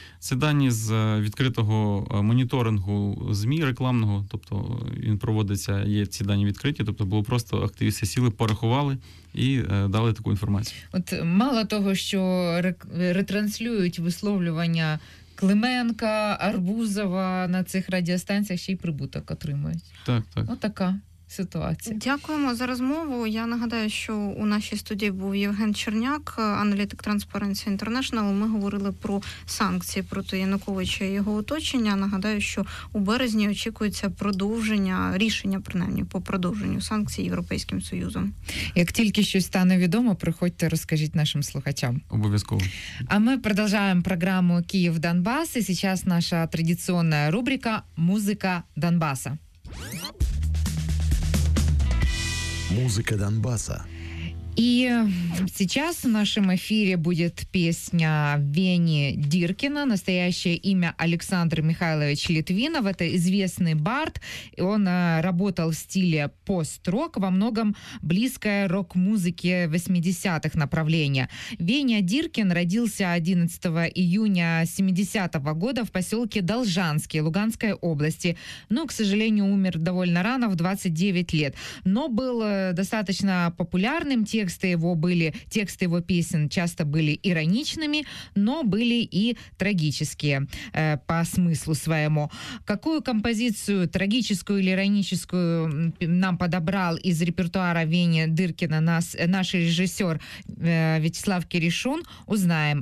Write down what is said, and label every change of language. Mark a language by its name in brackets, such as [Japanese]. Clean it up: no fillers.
[Ukrainian] Це дані з відкритого моніторингу ЗМІ рекламного, тобто він проводиться, є ці дані відкриті, тобто було просто активісти сіли, порахували і дали таку інформацію. От мало того, що ретранслюють висловлювання Клименка, Арбузова на цих радіостанціях, ще й прибуток отримують. Так, так. Отака. Ситуація. Дякуємо за розмову. Я нагадаю, що у нашій студії був Євген Черняк, аналітик Transparency International. Ми говорили про санкції проти Януковича і його оточення. Нагадаю, що у березні очікується продовження, рішення, принаймні, по продовженню санкцій Європейським Союзом. Як тільки щось стане відомо, приходьте, розкажіть нашим слухачам. Обов'язково. А ми продовжуємо програму «Київ-Донбас». І зараз наша традиційна рубрика «Музика Донбаса». Музика Донбаса. І зараз в нашому ефірі буде пісня Вені Діркіна, настояще ім'я Олександр Михайлович Литвинов. Це звісний бард. Він працював в стилі пост-рок, [Russian] во многом [Ukrainian] близькій рок-музиці 80-х направлення. [Russian] Веня Діркін родився 11 июня 70-го року в поселке Должанский Луганской області. Ну, к сожалению, умер довольно рано, в 29 лет. Но был достаточно популярным. Тексты его песен часто были ироничными, но были и трагические по смыслу своему. Какую композицию, трагическую или ироническую, нам подобрал из репертуара Вени Діркіна наш режиссер Вячеслав Кирешун, узнаем.